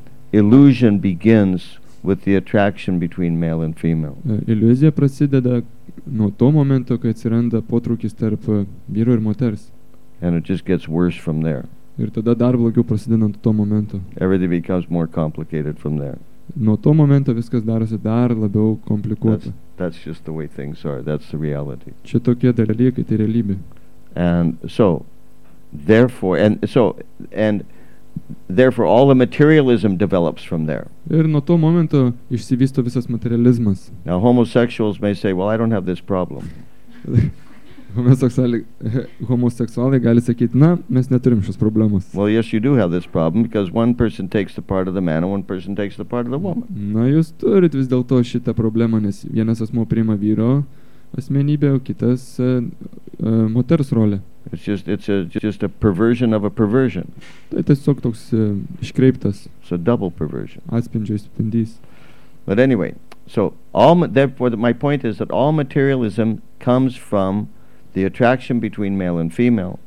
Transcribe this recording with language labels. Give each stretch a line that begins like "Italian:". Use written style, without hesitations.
English: Illusion begins with the attraction between male and female.
Lithuanian: Iliuzija prasideda nuo to momento, kai atsiranda potraukis tarp vyro ir moters.
English: And it just gets worse from there.
Lithuanian: Ir tada dar blogiau prasideda nuo to momento.
English: Everything becomes more complicated from there.
Lithuanian: Nuo to momento viskas darosi dar labiau komplikuota.
English: That's just the way things are. That's the reality.
Lithuanian: Čia tokie dalykai, tai realybė.
English: And therefore all the materialism develops from there.
Lithuanian: Ir nuo to momento išsivysto visas materializmas.
English: Now homosexuals may say, well, I don't have this problem.
Lithuanian: Homoseksualai gali sakyti, na, mes neturim šios problemos.
English: Well, yes, you do have this problem, because one person takes the part of the man and one person takes the part of the woman.
Lithuanian: Na, jūs turit vis dėlto šitą problemą, nes vienas asmuo priima vyro asmenybę, o kitas moters rolę.
English: It's just a perversion of a perversion.
Lithuanian: Tai tiesiog toks iškreiptas.
English: It's a double perversion.
Lithuanian: Atspindžio išspindys.
English: But anyway, so all therefore my point is that all materialism comes from the attraction between male and female.